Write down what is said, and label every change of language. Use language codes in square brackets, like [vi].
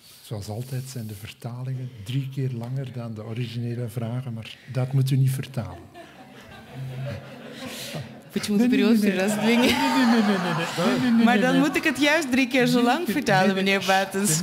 [nl] Zoals altijd zijn de vertalingen drie keer langer dan de originele vragen, maar dat moet u niet vertalen. [ru] Почему-то перевод три раза длиннее. [nl] Maar dan moet ik het juist drie keer zo lang vertalen, meneer Buitens.